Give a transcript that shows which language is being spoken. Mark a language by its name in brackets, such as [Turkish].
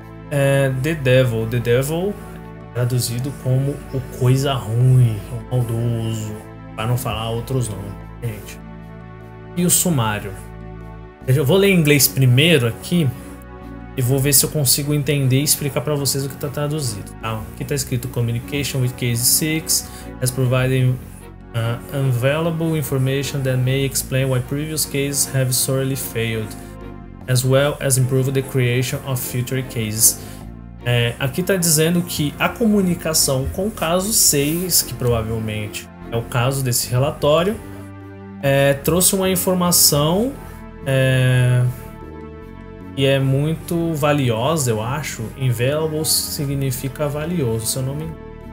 [Portuguese] É The Devil. The Devil, traduzido como o coisa ruim, o maldoso. Para não falar outros nomes, gente. E o sumário. Eu vou ler em inglês primeiro aqui e vou ver se eu consigo entender e explicar para vocês o que está traduzido. Tá? Aqui está escrito [English] Communication with Case 6 has provided unavailable information that may explain why previous cases have sorely failed, as well as improve the creation of future cases. [Portuguese] É, aqui está dizendo que a comunicação com o caso 6, que provavelmente é o caso desse relatório, trouxe uma informação. E é muito valiosa, eu acho. Invaluable significa valioso, se eu não me engano.